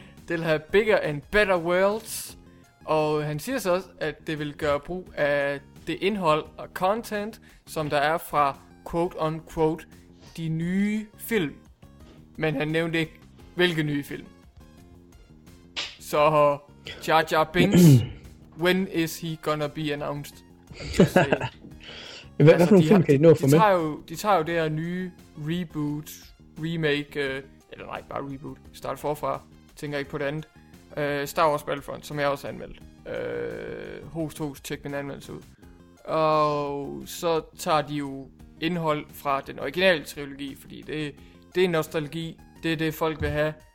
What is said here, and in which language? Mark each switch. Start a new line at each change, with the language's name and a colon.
Danish: Det vil have
English: bigger and better worlds.
Danish: Og han siger så også, at det vil gøre brug af det indhold og content, som der er fra, quote-unquote, de nye film. Men han nævnte ikke, hvilke nye film? Så
English: Jar Jar Binks, when is he gonna be announced?
Danish: Hvad altså, for nogle film kan I nå for med? De tager jo det her nye reboot, remake, eller nej, bare reboot, start forfra, tænker ikke på det andet. Star Wars Battlefront, som jeg også anmeldte. Host, tjek min anmeldelse ud. Og så tager de jo indhold fra den originale trilogi, fordi det er nostalgi. Det er det, folk vil have.